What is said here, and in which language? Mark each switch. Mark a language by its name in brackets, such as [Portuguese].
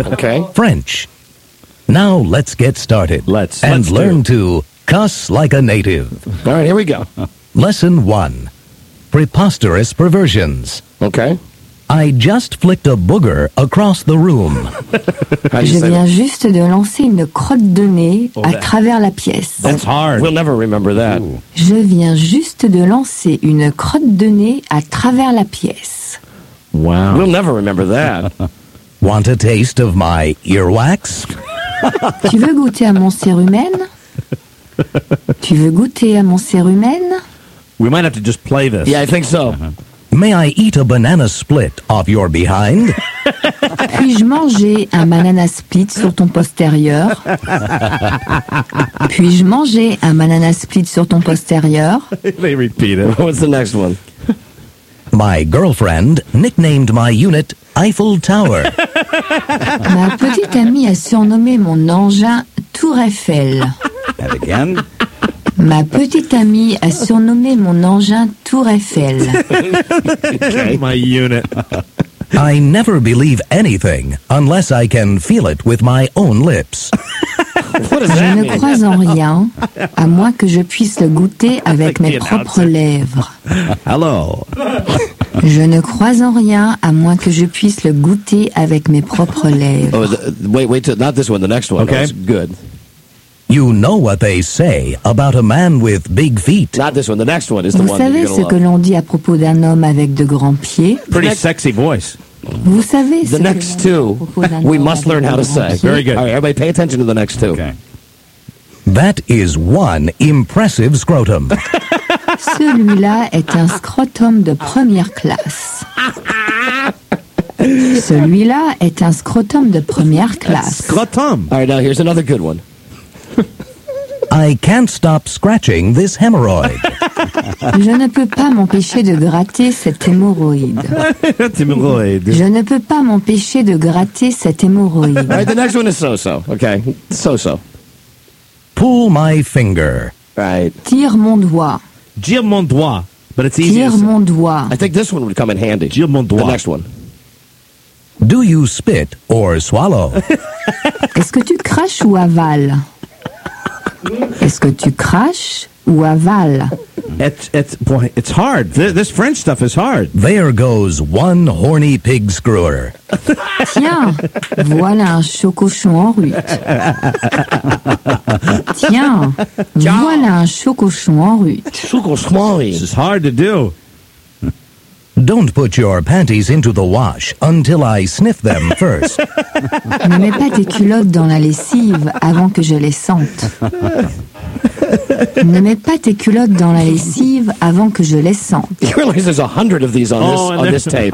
[English] Okay. French. Now let's get started. Let's learn to cuss like a native. All right, here we go. Lesson one. Preposterous perversions. Okay. I just flicked a booger across the room. [French] Je viens juste de lancer une crotte de nez à travers la pièce. [English] That's hard. We'll never remember that. Ooh. [French] Je viens juste de lancer une crotte de nez à travers la pièce. [English] Wow. We'll never remember that. Want a taste of my earwax? [French] Tu veux goûter à mon cérumen? Tu veux goûter à mon cérumen? [English] We might have to just play this. Yeah, I think so. May I eat a banana split off your behind? [French] Puis-je manger un banana split sur ton postérieur? Puis-je manger un banana split sur ton postérieur? [English] They repeat it. What's the next one? My girlfriend nicknamed my unit Eiffel Tower. [French] Ma petite amie a surnommé mon engin Tour Eiffel. [English] And again. [French] Ma petite amie a surnommé mon engin Tour Eiffel. [English] Okay. My unit. I never believe anything unless I can feel it with my own lips. [French] Je ne crois en rien à moins que je puisse le goûter avec mes propres lèvres. [English] Hello. [French] Je ne crois en rien à moins que je puisse le goûter avec mes propres lèvres. [English] Oh, not this one, the next one. Okay. That's good. You know what they say about a man with big feet. Not this one, the next one is the one. [French] Vous savez ce que l'on dit à propos d'un homme avec de grands pieds? [English] Pretty sexy voice. [French] Vous savez [English] the next two, we must learn how to say. Very good. All right, everybody pay attention to the next two. Okay. That is one impressive scrotum. [French] Celui-là est un scrotum de première classe. Celui-là est un scrotum de première classe. [English] Scrotum. All right, now here's another good one. I can't stop scratching this hemorrhoid. [French] Je ne peux pas m'empêcher de gratter cette hémorroïde. Hémorroïde. Je ne peux pas m'empêcher de gratter cette hémorroïde. [English] All right, the next one is so-so. Okay, so-so. Pull my finger. Right. [French] Tire mon doigt. Tire mon doigt. [English] But it's easier. [French] Tire mon doigt. [English] I think this one would come in handy. [French] Tire mon doigt. [English] The next one. Do you spit or swallow? [French] Est-ce que tu craches ou avales? Est-ce que tu craches ou avales? [English] It's hard. This French stuff is hard. There goes one horny pig screwer. [French] Tiens, voilà un chocochon en rut. Tiens, Ciao. Voilà un chocochon en rut. Chocochon. [English] This is hard to do. Don't put your panties into the wash until I sniff them first. [French] Ne mets pas tes culottes dans la lessive avant que je les sente. Ne mets pas tes culottes dans la lessive avant que je les sente. [English] You realize there's 100 of these on this tape.